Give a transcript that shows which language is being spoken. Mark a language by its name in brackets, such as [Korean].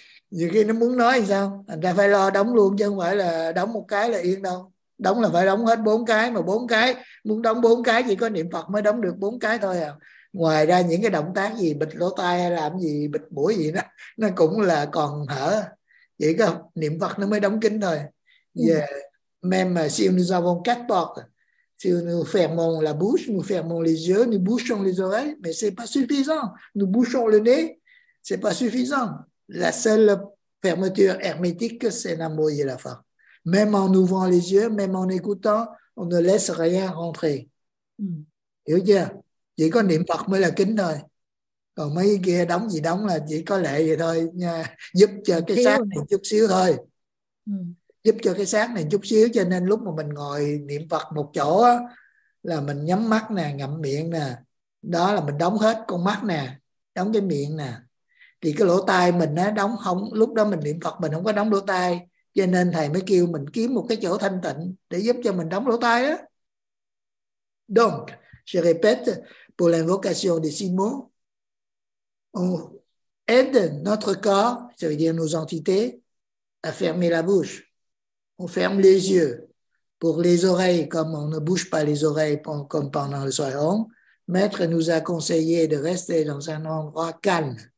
[Vietnamese] Nhiều khi nó muốn nói thì sao, anh ta phải lo đóng luôn chứ không phải là đóng một cái là yên đâu, đóng là phải đóng hết bốn cái, mà bốn cái muốn đóng bốn cái chỉ có niệm Phật mới đóng được bốn cái thôi à. Ngoài ra những cái động tác gì bịt lỗ tai hay làm gì bịt mũi gì đó nó cũng là còn thở, chỉ có niệm Phật nó mới đóng kín thôi. [French] Même si nous avons quatre portes, si nous fermons la bouche, nous fermons les yeux, nous bouchons les oreilles, mais c'est pas suffisant. Nous bouchons le nez, c'est pas suffisant. La seule fermeture hermétique, c'est Namo Yelafa. Même en ouvrant les yeux, même en écoutant, on ne laisse rien rentrer. [Vietnamese] Hiểu chưa? Chỉ có niệm Phật mới là kính thôi. Còn mấy kia đóng gì đóng là chỉ có lệ vậy thôi nha. Giúp cho cái xác Thiếu này chút xíu thôi. này. Giúp cho cái xác này chút xíu. Cho nên lúc mà mình ngồi niệm Phật một chỗ á, là mình nhắm mắt nè, ngậm miệng nè. Đó là mình đóng hết con mắt nè, đóng cái miệng nè. Thì cái lỗ tai mình nó đóng không, lúc đó mình niệm Phật mình không có đóng lỗ tai, cho nên thầy mới kêu mình kiếm một cái chỗ thanh tịnh để giúp cho mình đóng lỗ tai đó. [French] Donc, je répète, pour l'invocation des six mots, on aide notre corps, c'est-à-dire nos entités, à fermer la bouche. On ferme les yeux. Pour les oreilles, comme on ne bouge pas les oreilles comme pendant le soir, Maître nous a conseillé de rester dans un endroit calme.